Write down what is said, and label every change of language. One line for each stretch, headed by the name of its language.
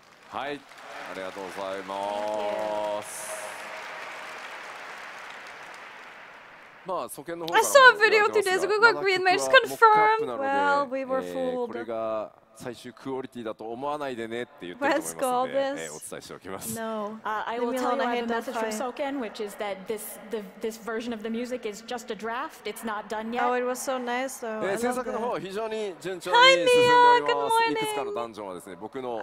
Japanese: はい、ありがとうございます。まあ、初見の方から。
English: I saw a video two days ago. Green Mage confirmed. Well, we were fooled.
Japanese: これが最終クオリティだと思わないでねって言ってると思いますので、お伝えしておきます。
English: No, I will tell you I have a message from Soken, which is that this version of the music is just a draft. It's not done yet. Oh, it was so nice, though.
Japanese: 制作の方は非常に順調に進んでおります。いくつかのダンジョンはですね、僕の